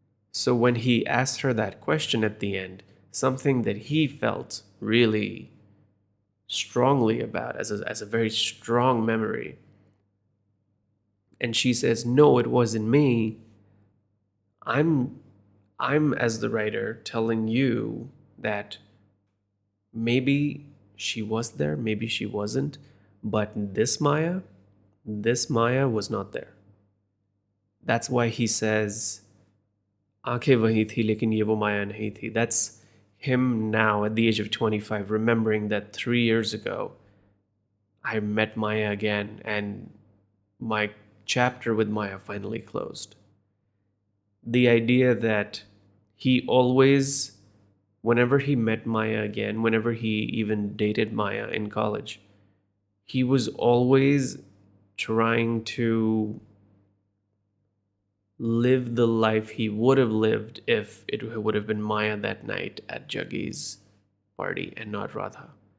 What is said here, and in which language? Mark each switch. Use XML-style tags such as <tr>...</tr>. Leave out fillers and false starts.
<en>So when he asked her that question at the end, something that he felt really strongly about as a very strong memory, and she says, no, it wasn't me, I'm as the writer telling you that maybe she was there, maybe she wasn't, but this Maya was not there. That's why he says,</en> <hi>आँखें वही थी लेकिन ये वो माया नहीं थी।</hi> <en>That's him now at the age of 25, remembering that 3 years ago, I met Maya again and my chapter with Maya finally closed. The idea that he always, whenever he met Maya again, whenever he even dated Maya in college, he was always trying to live the life he would have lived if it would have been Maya that night at Jaggi's party and not Radha.</en>